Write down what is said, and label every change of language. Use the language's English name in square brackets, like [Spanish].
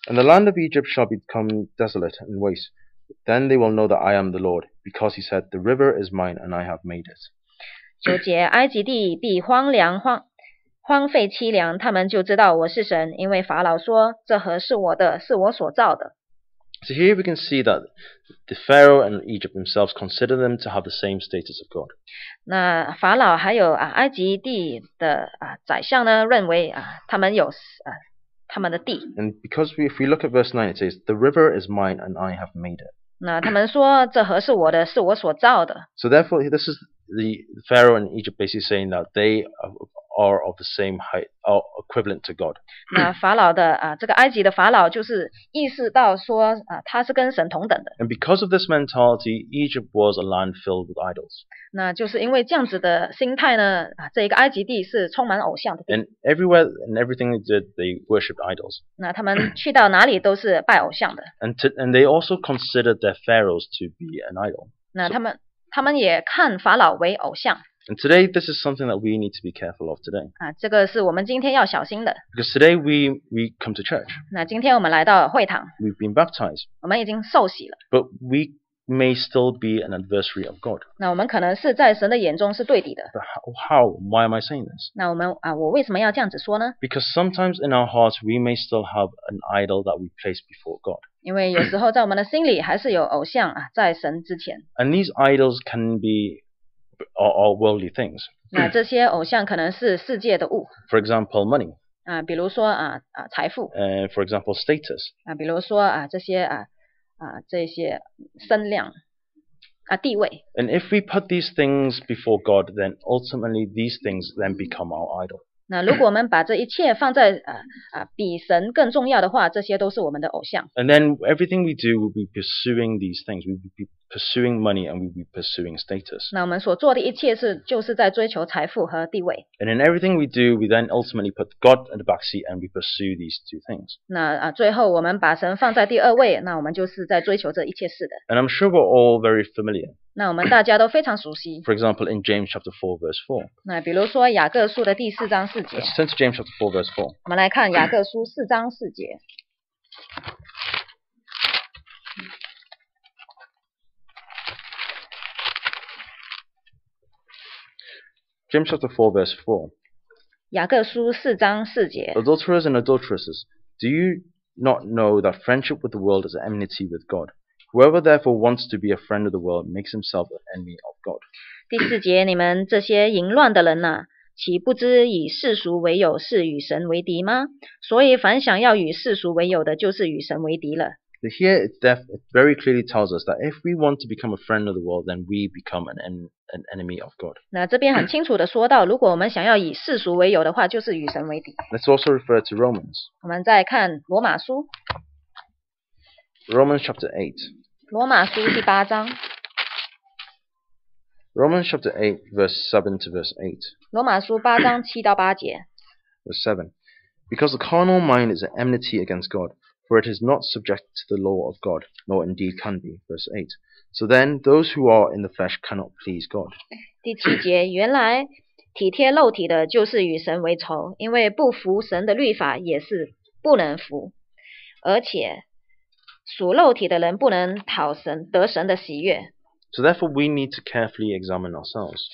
[English] And the land of Egypt shall become desolate and waste. Then they will know that I am the Lord, because He said, "The river is mine, and I have made it." [Chinese] 九节，埃及地必荒凉荒废凄凉，他们就知道我是神，因为法老说，这河是我的，是我所造的。 [English] So here we can see that the Pharaoh and Egypt themselves consider them to have the same status of God. [Chinese] 那法老还有啊埃及地的啊宰相呢，认为啊他们有啊他们的地。 [English] And because if we look at verse 9, it says, "The river is mine, and I have made it." [Chinese] 那他们说这河是我的，是我所造的。 [English] So therefore, this is the Pharaoh and Egypt basically saying that they are of the same height, or equivalent to God. [Chinese] 那法老的啊，这个埃及的法老就是意识到说啊，他是跟神同等的。 [English] And because of this mentality, Egypt was a land filled with idols. [Chinese] 那就是因为这样子的心态呢，啊，这一个埃及地是充满偶像的地。 [English] And everywhere and everything they did, they worshipped idols. [Chinese] 那他们去到哪里都是拜偶像的。 [English] And they also considered their pharaohs to be an idol. [Chinese] 那他们也看法老为偶像。 [English] And today, this is something that we need to be careful of today. [Chinese] 啊，这个是我们今天要小心的。 [English] Because today we come to church. [Chinese] 那今天我们来到会堂。 [English] We've been baptized. [Chinese] 我们已经受洗了。 [English] But we may still be an adversary of God. [Chinese] 那我们可能是在神的眼中是对敌的。 [English] But how? Why am I saying this? [Chinese] 那我们啊，我为什么要这样子说呢？ [English] Because sometimes in our hearts, we may still have an idol that we place before God. [Chinese] 因为有时候在我们的心里还是有偶像啊，在神之前。 [English] And these idols can be or worldly things. [Chinese] 那这些偶像可能是世界的物。 [English] For example, money. [Chinese] 啊，比如说啊啊财富。 [English] For example, status. [Chinese] 啊，比如说啊这些啊啊这些声量啊地位。 [English] And if we put these things before God, then ultimately these things then become our idol. [Chinese] 那如果我们把这一切放在啊啊比神更重要的话，这些都是我们的偶像。 [English] And then everything we do will be pursuing these things. We will be pursuing money and we'll be pursuing status. [Chinese] 那我们所做的一切是就是在追求财富和地位。 [English] And in everything we do, we then ultimately put God in the back seat and we pursue these two things. [Chinese] 那啊，最后我们把神放在第二位，那我们就是在追求这一切事的。 [English] And I'm sure we're all very familiar. [Chinese] 那我们大家都非常熟悉。 [English] For example, in James chapter 4, verse 4. [Chinese] 那比如说雅各书的第四章四节。 [English] Let's turn to James chapter 4, verse 4. [Chinese] 我们来看雅各书四章四节。 [English] James chapter 4, verse 4. [Chinese] 雅各书四章四节。 [English] Adulterers and adulteresses, do you not know that friendship with the world is enmity with God? Whoever therefore wants to be a friend of the world makes himself an enemy of God. [Chinese] 第四节，你们这些淫乱的人啊，岂不知以世俗为友是与神为敌吗？所以凡想要与世俗为友的，就是与神为敌了。 [English] But here it very clearly tells us that if we want to become a friend of the world, then we become an enemy of God. [Chinese] 那这边很清楚的说到，如果我们想要以世俗为友的话，就是与神为敌。 [English] Let's also refer to Romans. [Chinese] 我们再看罗马书。 [English] Romans chapter 8. [Chinese] 罗马书第八章。 [English] Romans chapter 8, verse 7 to verse 8. [Chinese] 罗马书八章七到八节。 [English] Verse 7. Because the carnal mind is an enmity against God. For it is not subject to the law of God, nor indeed can be. Verse 8. So then, those who are in the flesh cannot please God. [Chinese] 第七节，原来体贴肉体的就是与神为仇，因为不服神的律法也是不能服。而且属肉体的人不能讨神得神的喜悦。 [English] So therefore, we need to carefully examine ourselves.